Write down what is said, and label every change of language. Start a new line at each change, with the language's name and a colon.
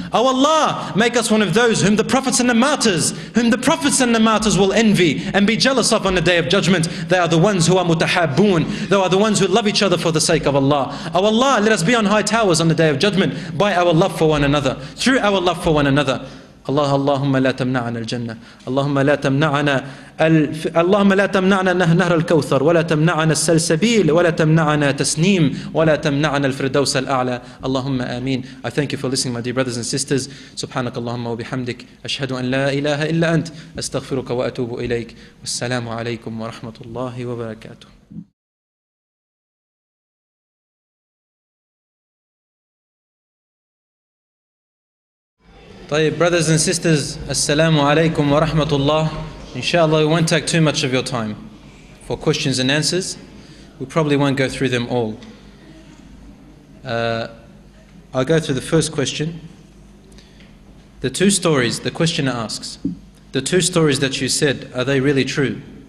English: Oh Allah, make us one of those whom the prophets and the martyrs, whom the prophets and the martyrs will envy and be jealous of on the day of judgment. They are the ones who are mutahabboon. They are the ones who love each other for the sake of Allah. Oh Allah, let us be on high towers on the day of judgment by our love for one another, through our love for one another.
Arabic: Allah, Allahumma la tamna'ana al-jannah. Allahumma la tamna'ana اللهم لا تمنعنا نهر الكوثر ولا تمنعنا السلسبيل ولا تمنعنا تسنيم ولا تمنعنا الفردوس الأعلى اللهم آمين.
English: I thank you for listening, my dear brothers and sisters.
Arabic: سبحانك اللهم وبحمدك أشهد أن لا إله إلا أنت أستغفرك وأتوب إليك. والسلام عليكم ورحمة الله وبركاته. طيب,
English: brothers and sisters,
Arabic: السلام عليكم ورحمة الله.
English: Inshallah, we won't take too much of your time for questions and answers. We probably won't go through them all. I'll go through the first question. The two stories, the questioner asks, the two stories that you said, are they really true?